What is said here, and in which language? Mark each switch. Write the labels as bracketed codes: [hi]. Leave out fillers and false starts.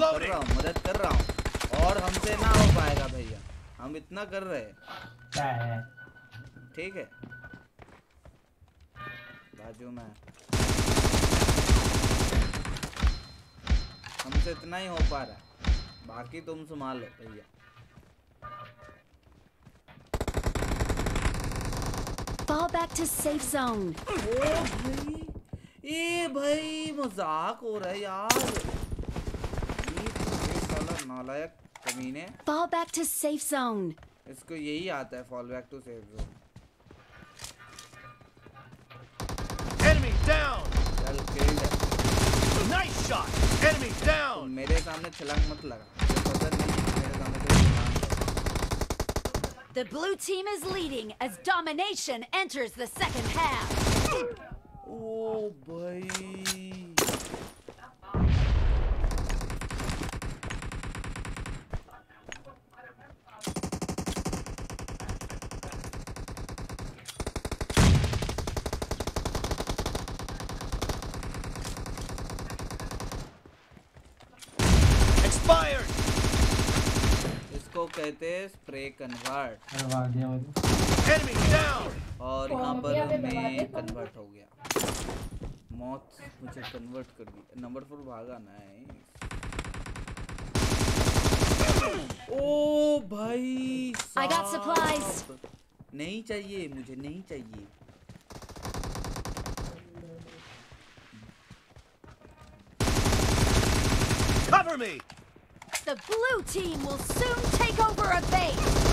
[hi] मदद कर रहा हूँ और हमसे ना हो पाएगा भैया, हम इतना कर रहे हैं, ठीक है बाजू में, हमसे इतना ही हो पा रहा है, बाकी तुम संभाल लो भैया। [en] Fall back to safe zone. [hi] ओ भाई ये भाई मजाक हो रहा है यार, नालायक कमीने। [en] Fall back to safe zone. [hi] इसको यही आता है [en] fall back to safe zone. Enemy down. [hi] चल killed है। [en] Nice shot. Enemy down. [hi] मेरे सामने छलांग मत लगा। पता नहीं मेरे सामने तो छलांग। [en] The blue team is leading as domination enters the second half. Oh boy. [hi] कहते हैं स्प्रे कन्वर्ट, और यहाँ पर मैं कन्वर्ट हो गया, मौत मुझे कन्वर्ट कर दी। नंबर फोर भागा ना है। ओ भाई [en] I got supplies. [hi] नहीं चाहिए मुझे, नहीं चाहिए। [en] Cover me. The blue team will soon take over a base.